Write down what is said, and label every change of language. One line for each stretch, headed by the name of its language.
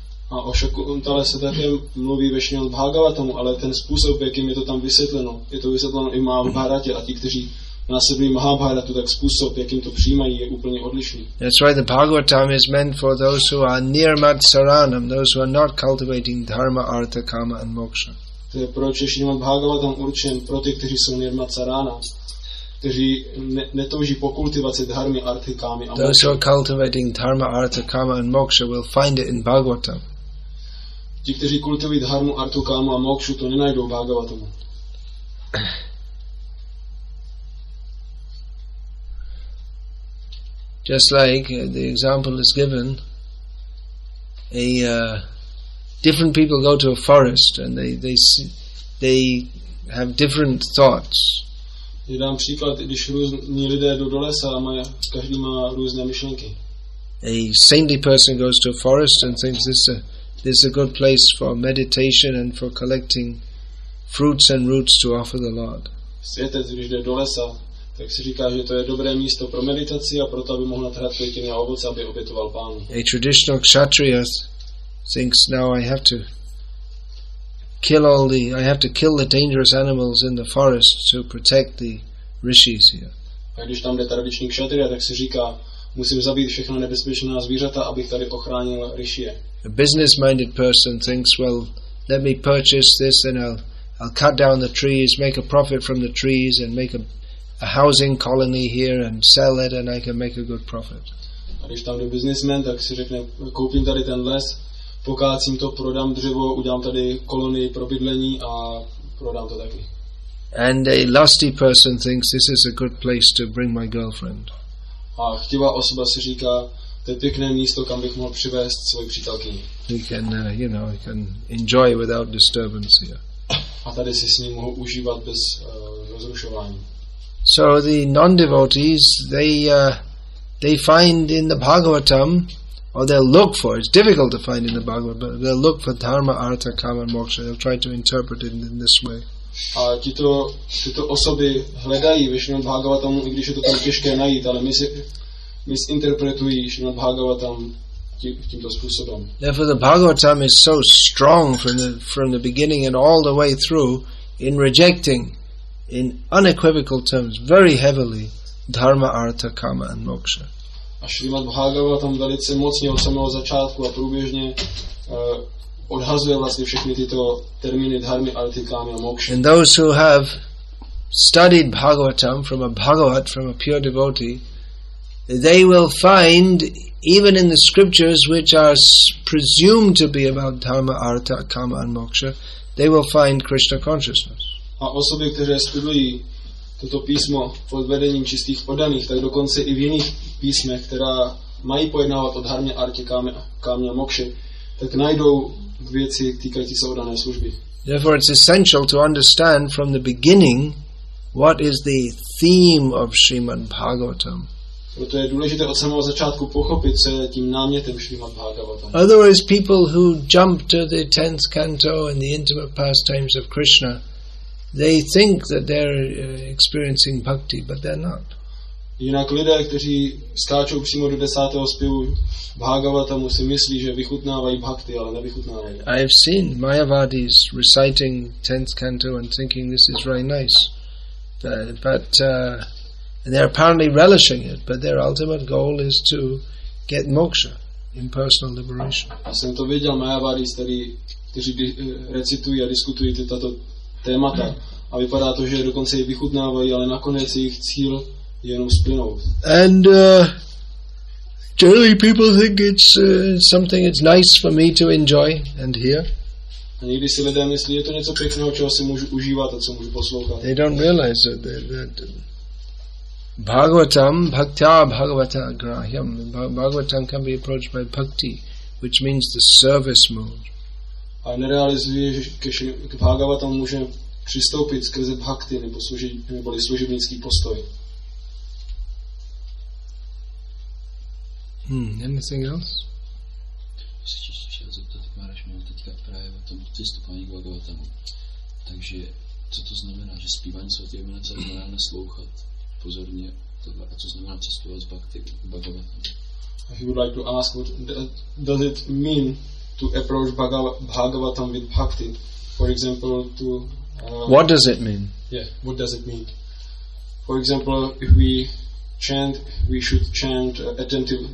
Czech: A o Shakuntale se také mluví ve Shrimad Bhagavatamu, ale ten způsob, jakým je to tam vysvětleno, je to vysvětleno i Mahabharatě a ti, kteří následují Mahabharatu, tak způsob, jakým to přijímají, je úplně odlišný.
English: That's why the Bhagavatam is meant for those who are near Matsaranam, those who are not cultivating dharma, artha, kama and moksha.
Czech: To je proč je Shrimad Bhagavatam určen pro ty, kteří jsou near Matsaranam. kteří netouží po kultivaci dharmy, arthy, kámy a moksha.
English: Those who are cultivating dharma, artha, kama and moksha will find it in Bhagavatam.
Czech: Ti, kteří kultivují dharmu, artu, kámu a mokšu, to nenajdou v Bhagavatamu.
English: Just like the example is given, different people go to a forest and they have different thoughts.
Czech: Je dám příklad, když různí lidé jdou do lesa a každý má různé myšlenky.
English: A saintly person goes to a forest and thinks this is a good place for meditation and for collecting fruits and roots to offer the Lord.
Czech: Světec, když jde do lesa, tak si říká, že to je dobré místo pro meditaci a proto, aby mohl natrhat květiny a ovoce, aby obětoval Pánu.
English: A traditional kshatriya thinks, now I have to kill the dangerous animals in the forest to protect the rishis here.
Czech: A když tam jde tradiční kshatriya, tak si říká, musím zabít všechna nebezpečná zvířata, abych tady ochránil rishie.
English: A business-minded person thinks, well, let me purchase this and I'll cut down the trees, make a profit from the trees and make a housing colony here and sell it and I can make a good profit.
Czech: A když tam jde businessman, tak si řekne, koupím tady ten les, pokácím to, prodám dřevo, udělám tady kolonii pro bydlení a prodám to taky.
English: And a lusty person thinks this is a good place to bring my girlfriend.
Czech: A chtivá osoba si říká, to je pěkné místo, kam bych mohl přivést svoji přítelkyni.
English: We can, we can enjoy without disturbance here.
Czech: A tady si s ním mohu užívat bez rozrušování.
English: So the non-devotees, they find in the Bhagavatam, or they'll look for, it's difficult to find in the Bhagavatam, but they'll look for dharma, artha, kama, moksha. They'll try to interpret it in this way.
Czech: A tyto osoby hledají ve Šrimad Bhagavatamu, i když je to tam těžké najít, ale misinterpretují Šrimad Bhagavatam tímto způsobem.
English: Therefore the Bhagavatam is so strong from the beginning and all the way through in rejecting in unequivocal terms very heavily dharma, artha, kama and moksha.
Czech: A Šrimad Bhagavatam velice mocně od samého začátku a průběžně odhazuje vlastně všechny tyto termíny dharmy, arthy, kámy a moksha.
English: And those who have studied Bhagavatam from a pure devotee, they will find even in the scriptures which are presumed to be about dharma, artha, kama and moksha, they will find Krishna consciousness.
Czech: A osoby, které studují toto písmo pod vedením čistých oddaných, tak dokonce i v jiných písmech, která mají pojednávat o dharmě, artě, kámě a mokše, tak najdou věci týkající se oddané služby.
English: Therefore it's essential to understand from the beginning what is the theme of Srimad Bhagavatam.
Czech: Proto je důležité od samého začátku pochopit, co je tím námětem Srimad Bhagavatam.
English: Otherwise people who jump to the 10th canto and the intimate pastimes of Krishna, they think that they're experiencing bhakti, but they're not.
Czech: Jinak lidé, kteří skáčou přímo do 10. zpěvu Bhagavatamu, si myslí, že vychutnávají bhakti, ale nevychutnávají.
English: I have seen Mayavadis reciting 10th canto and thinking this is very nice. But they're apparently relishing it, but their ultimate goal is to get moksha, impersonal liberation.
Czech: A jsem to viděl Mayavadis, kteří recitují a diskutují tato témata. A vypadá to, že dokonce je vychutnávají, ale nakonec jejich cíl je jenom splynout.
English: And generally people think it's something it's nice for me to enjoy and hear.
Czech: A někdy si lidé myslí, je to něco pěkného, čeho si můžu užívat a co můžu poslouchat.
English: They don't realize that Bhagavatam,
Sanskrit: bhaktya bhagavata grahyam.
English: Bhagavatam can be approached by bhakti, which means the service mode.
Czech: A nerealizuje, že k Bhagavatam může přistoupit skrze bhakti nebo neboli služebnický postoj.
English: Anything else?
Czech: Jestli se chtěl zeptat, Maharaj mluvil teďka právě o tom přistupování k Bhagavatamu. Takže co to znamená, že zpívání svatého jména znamená naslouchat pozorně tohle, a co znamená cestovat z bhakti k Bhagavatamu?
English: He would like to ask, what does it mean to approach Bhagavatam with bhakti, for example, to what does it mean? Yeah, what does it mean? For example, if we chant, we should chant attentively.